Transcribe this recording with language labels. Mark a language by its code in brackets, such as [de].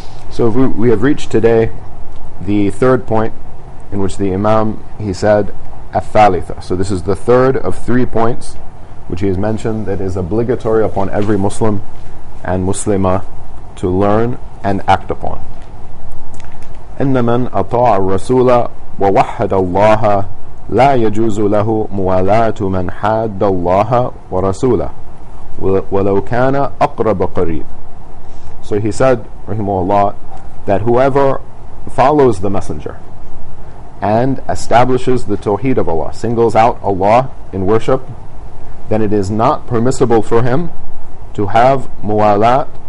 [en] So if we have reached today the third point, in which the Imam, he said, "Athalitha." So this is the third of 3 points, which he has mentioned that is obligatory upon every Muslim and Muslimah to learn and act upon. [ar] إن من أطاع الرسول ووحد الله لا يجوز له موالاة من حاد الله ورسوله ولو كان أقرب قريب. [en] So he said, rahimahullah, that whoever follows the Messenger and establishes the Tawheed of Allah, singles out Allah in worship, then it is not permissible for him to have muwalat.